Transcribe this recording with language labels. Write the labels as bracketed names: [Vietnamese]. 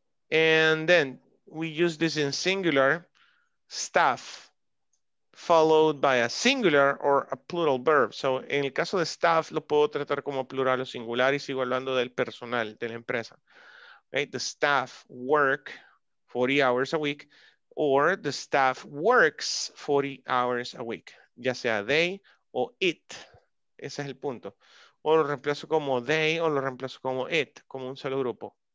[English] And then we use this in singular, staff, followed by a singular or a plural verb. [Spanish] So en el caso de staff, lo puedo tratar como plural o singular y sigo hablando del personal de la empresa. [English] Okay, the staff work 40 hours a week or the staff works 40 hours a week. [Spanish] Ya sea they o it. Ese es el punto. O lo reemplazo como they o lo reemplazo como it, como un solo grupo.